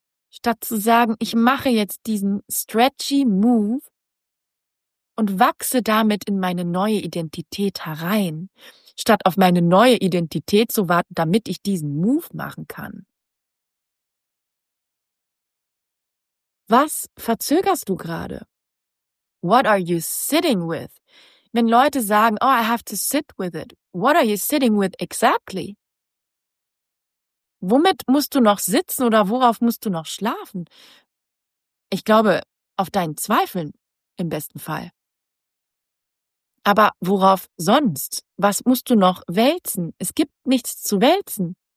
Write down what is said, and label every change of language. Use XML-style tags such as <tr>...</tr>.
<de>Statt zu sagen, ich mache jetzt diesen stretchy Move und wachse damit in meine neue Identität herein. Statt auf meine neue Identität zu warten, damit ich diesen Move machen kann. Was verzögerst du gerade?</de> <en>What are you sitting with?</en> <de>Wenn Leute sagen,</de> <en>oh, I have to sit with it. What are you sitting with exactly?</en> <de>Womit musst du noch sitzen oder worauf musst du noch schlafen? Ich glaube, auf deinen Zweifeln im besten Fall. Aber worauf sonst? Was musst du noch wälzen? Es gibt nichts zu wälzen.</de>